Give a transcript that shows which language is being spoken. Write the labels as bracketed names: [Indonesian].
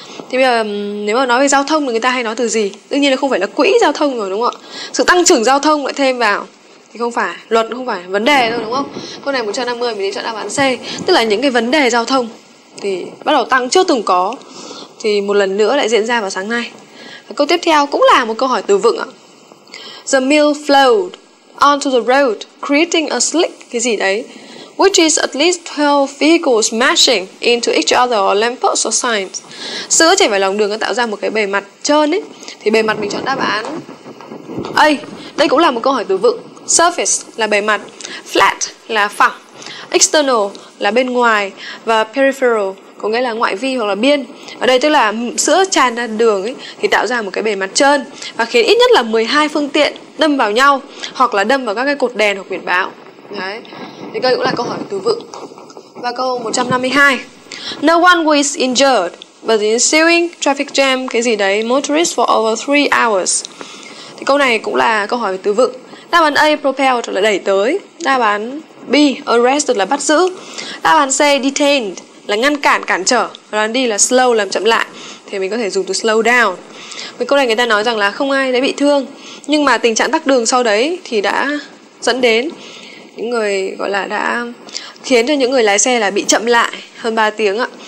[Vietnamese] Thế bây giờ nếu mà nói về giao thông thì người ta hay nói từ gì? Đương nhiên là không phải là quỹ giao thông rồi đúng không ạ? Sự tăng trưởng giao thông lại thêm vào thì không phải, luật không phải vấn đề thôi đúng không? Câu này 150 mình đi chọn đáp án C, tức là những cái vấn đề giao thông thì bắt đầu tăng chưa từng có thì một lần nữa lại diễn ra vào sáng nay. Câu tiếp theo cũng là một câu hỏi từ vựng ạ. [English] The mill flowed onto the road, creating a slick [Vietnamese] cái gì đấy, [English] which is at least 12 vehicles smashing into each other or lampposts or signs. [Vietnamese] Sữa chảy vào lòng đường nó tạo ra một cái bề mặt trơn ấy. Thì bề mặt mình chọn đáp án A. Đây cũng là một câu hỏi từ vựng. Surface là bề mặt, flat là phẳng, external là bên ngoài và peripheral có nghĩa là ngoại vi hoặc là biên. Ở đây tức là sữa tràn ra đường ấy thì tạo ra một cái bề mặt trơn và khiến ít nhất là 12 phương tiện đâm vào nhau hoặc là đâm vào các cái cột đèn hoặc biển báo. Đấy. Thì đây cũng là câu hỏi từ vựng. Và câu 152. [English] No one was injured, but the ensuing traffic jam [Vietnamese] cái gì đấy [English] motorists for over 3 hours. [Vietnamese] Thì câu này cũng là câu hỏi từ vựng. Đáp án A propelled là đẩy tới, đáp án B arrested là bắt giữ, đáp án C detained là ngăn cản, cản trở, và đoán đi là slow làm chậm lại, thì mình có thể dùng từ [English] slow down. [Vietnamese] Với câu này người ta nói rằng là không ai đã bị thương, nhưng mà tình trạng tắc đường sau đấy thì đã dẫn đến những người gọi là đã khiến cho những người lái xe là bị chậm lại hơn 3 tiếng ạ.